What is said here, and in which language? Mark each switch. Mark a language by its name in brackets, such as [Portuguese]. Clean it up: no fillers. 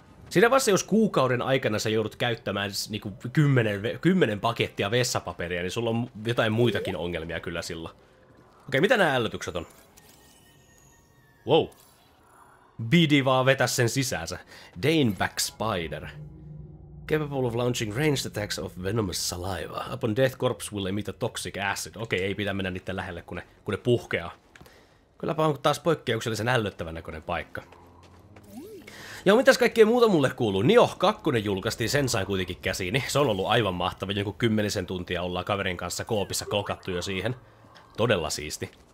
[Finnish] Siinä vaiheessa, jos kuukauden aikana sä joudut käyttämään niin kuin 10 pakettia vessapaperia, niin sulla on jotain muitakin ongelmia kyllä sillä. Okei, mitä nämä ällötykset on? Wow. Bidi vaan vetä sen sisäänsä. [English] Daneback Spider. Capable of launching ranged attacks of venomous saliva. Upon death, corpse will emit a toxic acid. [Finnish] Okei, ei pitää mennä niitten lähelle, kun ne puhkeaa. Kylläpä on taas poikkeuksellisen ällöttävän näköinen paikka. Joo, mitäs kaikkea muuta mulle kuuluu? Nio 2 julkaistiin, sen sai kuitenkin käsiini. Se on ollut aivan mahtava, joku 10 tuntia ollaan kaverin kanssa koopissa klokattu jo siihen. Todella siisti.